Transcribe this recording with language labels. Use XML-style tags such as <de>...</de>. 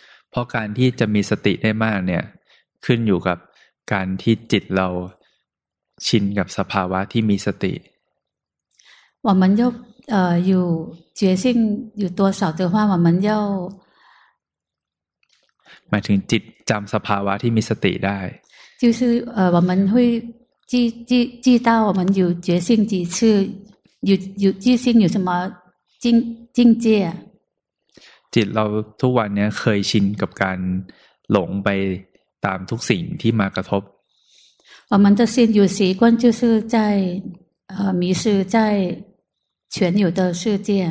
<th>เพราะการที่จะมีสติได้มากเนี่ยขึ้นอยู่กับการที่จิตเราชินกับสภาวะที่มีสติ</th> <zh>我们要有觉性有多少的话我们要</zh> <th>หมายถึงจิตจำสภาวะที่มีสติได้</th> <zh>就是我们会记到我们有觉性几次有觉性有什么境界</zh> <th>จิตเราทุกวันเนี้ยเคยชินกับการหลงไปตามทุกสิ่งที่มากระทบ</th> <zh>我们的心有习惯就是在迷失在全有的世界</zh>